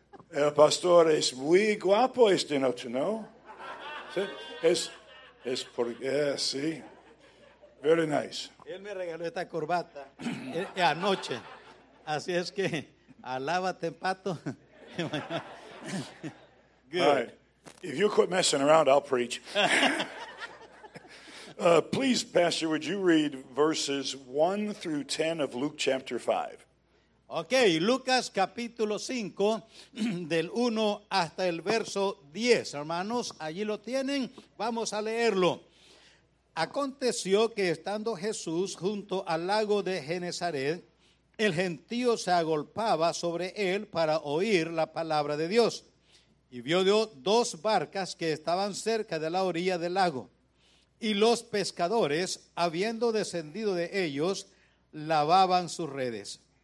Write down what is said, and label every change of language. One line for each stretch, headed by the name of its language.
Spanish: El pastor es muy guapo esta noche, ¿no? Sí, es porque, sí,
English: very nice.
Spanish: Él me regaló esta corbata anoche, así es que alábate, pato.
English: Good. All right, if you quit messing around, I'll preach. Please, pastor, would you read verses 1 through 10 of Luke chapter 5?
Spanish: Ok, Lucas capítulo 5, del 1 hasta el verso 10, hermanos, allí lo tienen, vamos a leerlo. Aconteció que estando Jesús junto al lago de Genezaret, el gentío se agolpaba sobre él para oír la palabra de Dios, y vio dos barcas que estaban cerca de la orilla del lago, y los pescadores, habiendo descendido de ellos, lavaban sus redes.